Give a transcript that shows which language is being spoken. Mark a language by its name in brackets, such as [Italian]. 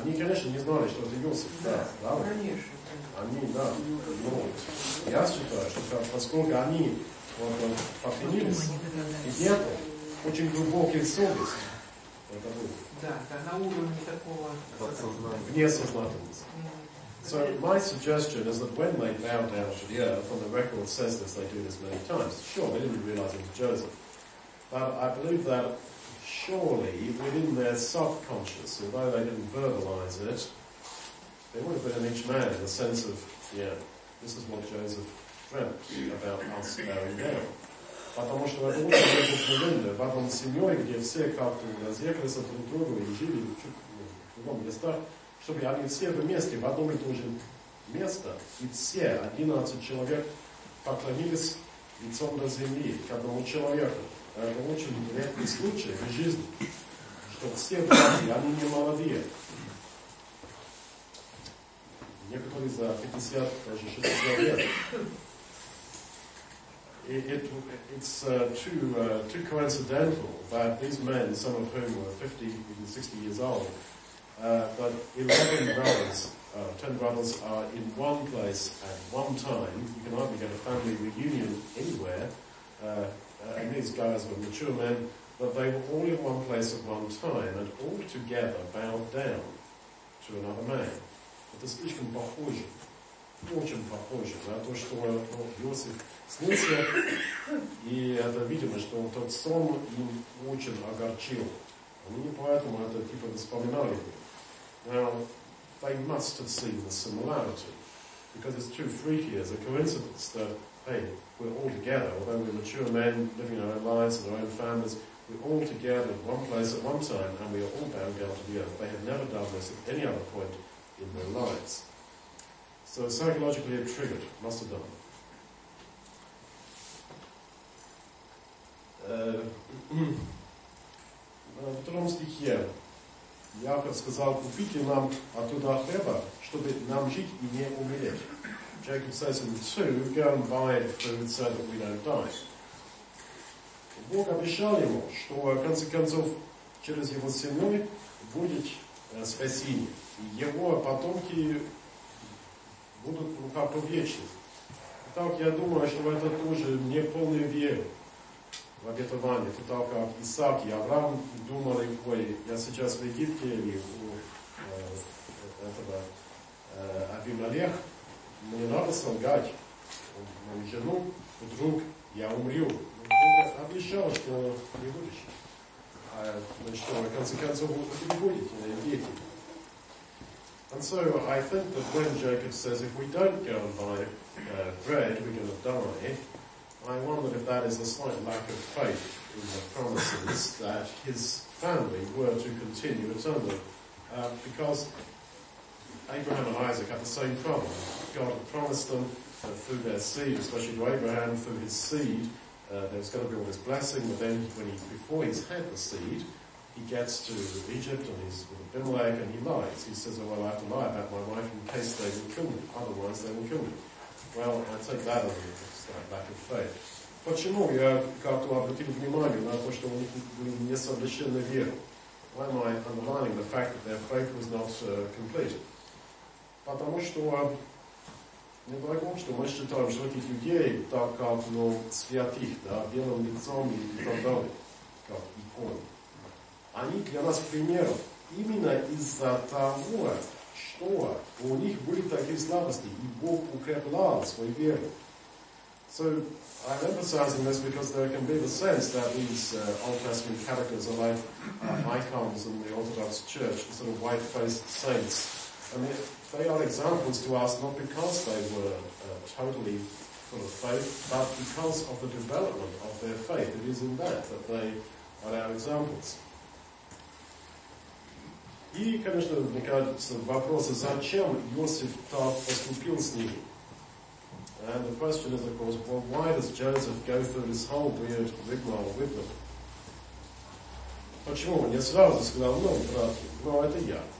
[Russian] Они, конечно, не знали, что это Иосиф. Да, конечно. Они, да. Но я считаю, что поскольку они поклонились, и где-то очень глубокий совесть это был. Да, на уровне такого внесознательности. [English] So my suggestion is that when they bow down to the earth, and the record says this, they do this many times, sure, they didn't realize it was Joseph. But I believe that surely within their subconscious, although they didn't verbalize it, they would have been an each man in the sense of, yeah, this is what Joseph about us bowing down. [Russian] Потому что это очень много в одном семье, где все как-то разъехались от друг друга и жили в другом местах, чтобы они все вместе в одном и том же место, и все 11 человек поклонились лицом на земле к одному человеку. Это очень редкий случай в жизни, что все братья, они не молодые. Некоторые за 50, даже 60 лет. [English] It's too coincidental that these men, some of whom were 50, even 60 years old, but 11 brothers, 10 brothers are in one place at one time. You can hardly get a family reunion anywhere. And these guys were mature men, but they were all in one place at one time and all together bowed down to another man. [Russian] Это слишком похоже. Очень похоже на то, что Иосиф снился, и это видимо, что тот сон им очень огорчил. Они не поэтому это типа вспоминали. [English] Now, they must have seen the similarity, because it's too freaky as a coincidence that, hey, we're all together, although we're mature men living our own lives and our own families, we're all together in one place at one time, and we are all bound down to the earth. They had never done this at any other point in their lives. So psychologically it triggered, must have done. [Russian] В втором стихе Яков сказал, купите нам оттуда хлеба, чтобы нам жить и не умереть. [English] Jacob says in 2, go and buy food so that we don't die. [Russian] Бог обещал ему, что в конце концов через его сыновей будет спасение. Его потомки будут рука повечны. Так я думаю, что это тоже не полная вера в обетование. Тут так как Исаак и Авраам думали, ой, я сейчас в Египте или у этого Авимелех, мне надо солгать мою жену, вдруг я умрю. Бог обещал, что не будешь. А значит, в конце концов, не будет дети. [English] And so I think that when Jacob says, if we don't go and buy bread, we're going to die, I wonder if that is a slight lack of faith in the promises that his family were to continue eternally. Because Abraham and Isaac have the same problem. God had promised them that through their seed, especially to Abraham, through his seed, there's going to be all this blessing, but then before he's had the seed, he gets to Egypt and he's with Abimelech and he lies. He says, oh, well, I have to lie about my wife in case they will kill me. Otherwise, they will kill me. Well, I take that as a slight lack of faith. [Russian] Почему я как-то обратил внимание на то, что они были несовершенны веру? [English] Why am I underlining the fact that their faith was not complete? [Russian] Потому что, не дай Бог, что мы считаем, что этих людей так как, ну, святых, да, белым лицом и так далее, как иконы. Они для нас примеров именно из-за того, что у них были такие слабости, и Бог укреплял свою веру. [English] So, I'm emphasizing this because there can be the sense that these Old Testament characters are like icons in the Orthodox Church, the sort of white-faced saints. And they are examples to us not because they were totally full of faith, but because of the development of their faith. It is in that they are our examples. [Russian] И, конечно, возникает вопрос, зачем Иосиф так поступил с ними? [English] And the question is, of course, well, why does Joseph go through this whole weird rigmarole with them? [Russian] Почему он не сразу сказал, ну, братья, ну, это я.